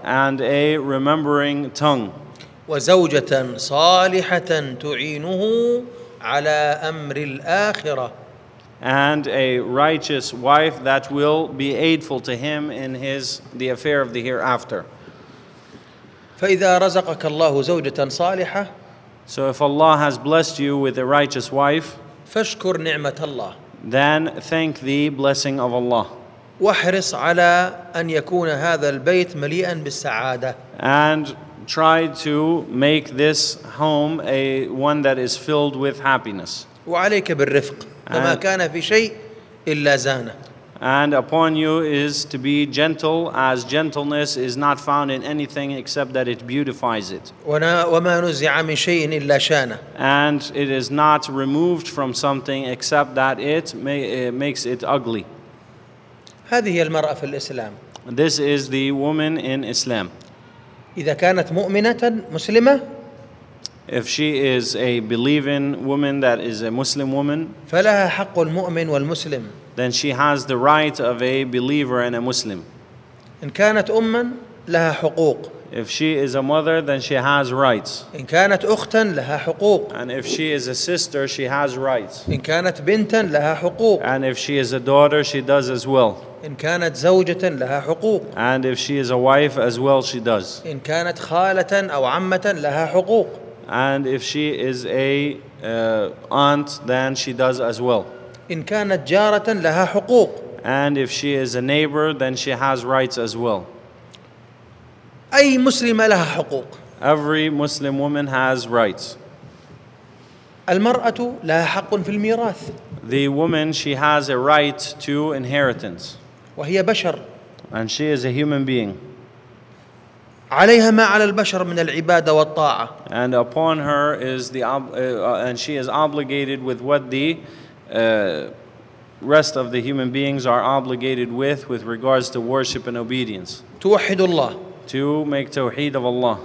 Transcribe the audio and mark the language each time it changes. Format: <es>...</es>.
<en>and a remembering tongue</en> <ar>وزوجة صالحة تعينه على أمر الآخرة</ar> <en>and a righteous wife that will be aidful to him in his the affair of the hereafter.</en> <ar>فإذا رزقك الله زوجة صالحة</ar> <en>so if Allah has blessed you with a righteous wife</en> <ar>فاشكر نعمة الله</ar> <en>then thank the blessing of Allah.</en> <ar>واحرص على أن يكون هذا البيت مليئا بالسعادة.</ar> <en>And try to make this home a one that is filled with happiness.</en> <ar>وعليك بالرفق. وما كان في شيء إلا زانة.</ar> <en>And upon you is to be gentle, as gentleness is not found in anything except that it beautifies it.</en> <ar>وما نزع من شيء إلا شانة.</ar> <en>And it is not removed from something except that it makes it ugly.</en> <ar>هذه هي المرأة في الإسلام.</ar> <en>This is the woman in Islam.</en> <ar>إذا كانت مؤمنة مسلمة.</ar> <en>If she is a believing woman that is a Muslim woman.</en> <ar>فلها حق المؤمن والمسلم.</ar> <en>Then she has the right of a believer and a Muslim.</en> <ar>إن كانت أما لها حقوق.</ar> <en>If she is a mother, then she has rights.</en> <ar>إن كانت أختا لها حقوق.</ar> <en>And if she is a sister, she has rights.</en> <ar>إن كانت بنتا لها حقوق.</ar> <en>And if she is a daughter, she does as well.</en> <ar>إن كانت زوجة لها حقوق.</ar> <en>And if she is a wife as well, she does.</en> <ar>إن كانت خالة أو عمة لها حقوق.</ar> <en>And if she is a aunt, then she does as well.</en> <ar>إن كانت جارة لها حقوق.</ar> <en>And if she is a neighbor, then she has rights as well.</en> <ar>أي مسلمة لها حقوق.</ar> <en>Every Muslim woman has rights.</en> <ar>المرأة لها حق في الميراث.</ar> <en>The woman, she has a right to inheritance.</en> <ar>وهي بشر.</ar> <en>And she is a human being.</en> <ar>عليها ما على البشر من العبادة والطاعة.</ar> <en>And upon her is the and she is obligated with what the rest of the human beings are obligated with regards to worship and obedience.</en> <ar>توحد الله.</ar> <en>To make tawheed of Allah.</en>